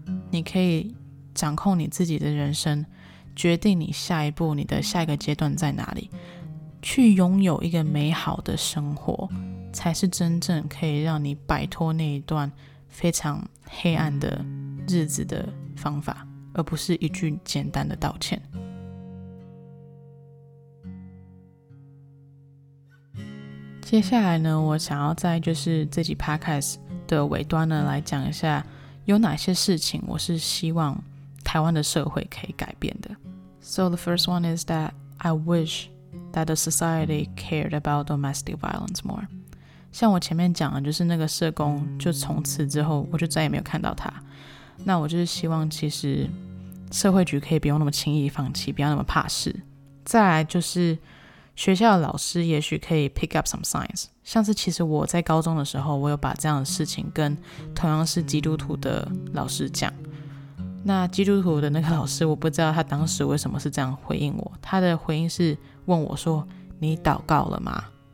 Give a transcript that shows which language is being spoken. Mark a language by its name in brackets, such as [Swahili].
[Chinese] 你可以掌控你自己的人生，决定你下一步你的下一个阶段在哪里，去拥有一个美好的生活才是真正可以让你摆脱那一段非常黑暗的日子的方法，而不是一句简单的道歉。接下来呢，我想要在就是这集 podcast 的尾端呢来讲一下有哪些事情我是希望台湾的社会可以改变的。 [English] So the first one is that I wish that the society cared about domestic violence more. [Chinese] 像我前面讲的，就是那个社工就从此之后我就再也没有看到他，那我就是希望其实社会局可以不用那么轻易放弃，不要那么怕事。再来就是学校的老师也许可以 [English] pick up some signs， [Chinese] 像是其实我在高中的时候我有把这样的事情跟同样是基督徒的老师讲，那基督徒的那个老师我不知道他当时为什么是这样回应我，他的回应是问我说你祷告了吗。